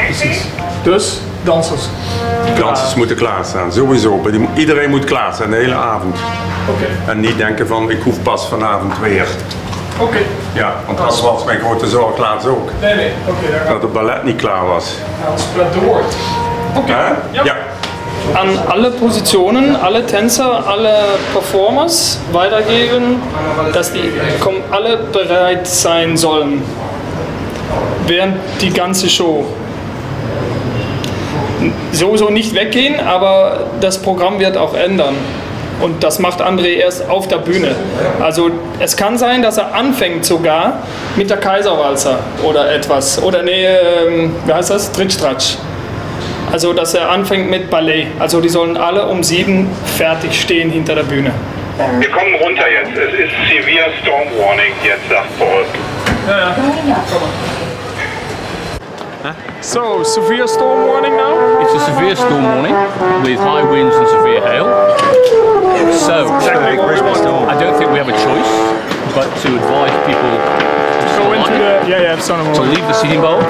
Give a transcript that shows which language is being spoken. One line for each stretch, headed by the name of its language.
Dutch: Precies. Dus, dansers. Dansers moeten klaarstaan, sowieso. Iedereen moet klaarstaan, de hele avond. Okay. En niet denken van, ik hoef pas vanavond weer. Oké. Okay. Ja, want dat was mijn grote zorg laatst ook. Nee. Oké, okay, dat het ballet niet klaar was.
English: Dat spread the word. Oké. Okay.
Dutch: Ja.
German: Aan alle positionen, alle tänzer, alle performers weitergeven, dass die alle bereit sein sollen. Während die ganze Show. Sowieso nicht weggehen, aber das Programm wird auch ändern. Und das macht André erst auf der Bühne. Also es kann sein, dass er anfängt sogar mit der Kaiserwalzer oder etwas. Oder nee, wie heißt das? Trittstratsch. Also dass er anfängt mit Ballett. Also die sollen alle um 7 fertig stehen hinter der Bühne. Wir kommen runter jetzt. Es ist
English: severe storm warning
German: jetzt, sagt Paul.
English: So, severe storm warning now? It's a severe storm warning with high winds and severe hail. So, I don't think we have a choice but to advise people to leave the seating bowl.